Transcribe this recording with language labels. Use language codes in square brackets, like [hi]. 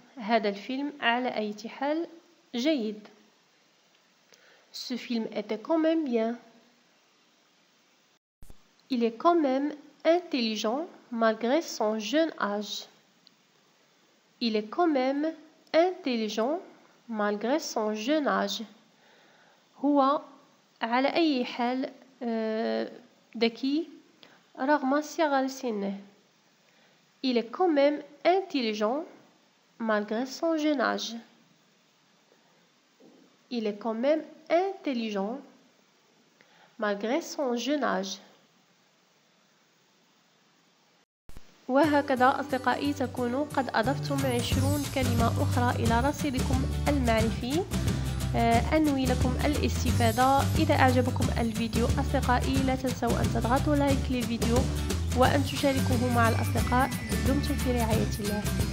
[ar] هذا الفيلم à l'aïe hal جيد. [fr] Ce film était quand même bien. Il est quand même intelligent malgré son jeune âge. Il est quand même intelligent malgré son jeune âge. [ar] هو على أي حال ذكي رغم صغر سنه. [fr] Il est quand même intelligent malgré son jeune âge. Il est quand même intelligent malgré son jeune âge. [ar] وهكذا أصدقائي تكونوا قد أضفتم 20 كلمة أخرى إلى رصيدكم المعرفي. أنوي لكم الاستفادة. إذا أعجبكم الفيديو أصدقائي لا تنسوا أن تضغطوا لايك للفيديو وأن تشاركوه مع الأصدقاء. دمتم في رعاية الله.